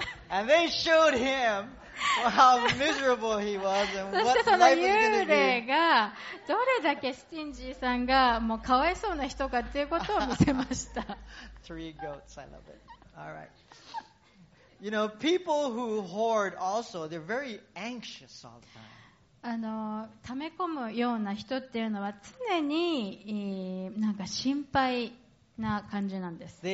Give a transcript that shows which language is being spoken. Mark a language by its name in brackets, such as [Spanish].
[English] And they showed him how miserable he was and what life was going to be. [Japanese] そしてその幽霊がどれだけスティンジーさんがもうかわいそうな人かっていうことを見せました。 [English] Three goats, I love it. All right. You know, people who hoard also, they're very anxious all the time. [Japanese] 溜め込むような人っていうのは常に、なんか心配な感じなんです。